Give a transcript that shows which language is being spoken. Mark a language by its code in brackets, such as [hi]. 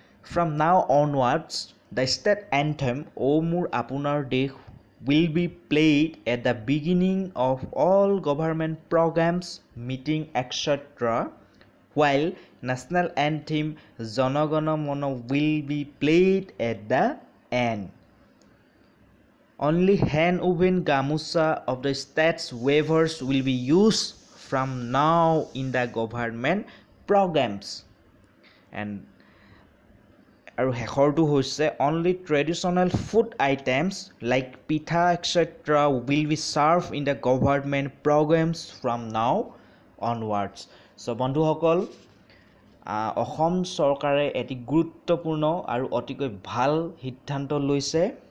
[en] From now onwards the state anthem O' Mur Apunar Desh will be played at the beginning of all government programs meeting extra while national anthem jana gana mana will be played at the end. Only hand woven gamusa of the state's waivers will be used from now in the government programs. And [as] aru hekhor tu hoise [en] only traditional food items like pitha etc will be served in the government programs from now onwards. [as] চ' বন্ধুসকল, অসম চৰকাৰে এটি গুৰুত্বপূৰ্ণ আৰু অতিকৈ ভাল সিদ্ধান্ত লৈছে।